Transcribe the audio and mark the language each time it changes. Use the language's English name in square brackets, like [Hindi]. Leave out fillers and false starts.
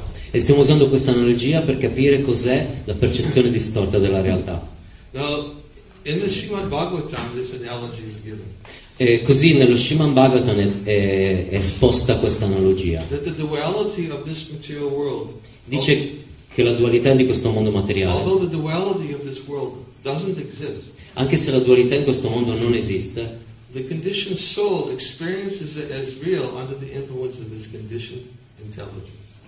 [Italian] E stiamo usando questa analogia per capire cos'è la percezione distorta della realtà. [English] In the Srimad Bhagavatam this analogy is given. [Italian] Così nello Srimad Bhagavatam è esposta questa analogia. [English] That the duality of this material world, [Italian] dice che la dualità di questo mondo materiale, [English] although the duality of this world doesn't exist, [Italian] anche se la dualità in questo mondo non esiste, [English] the conditioned soul experiences it as real under the influence of this conditioned intelligence.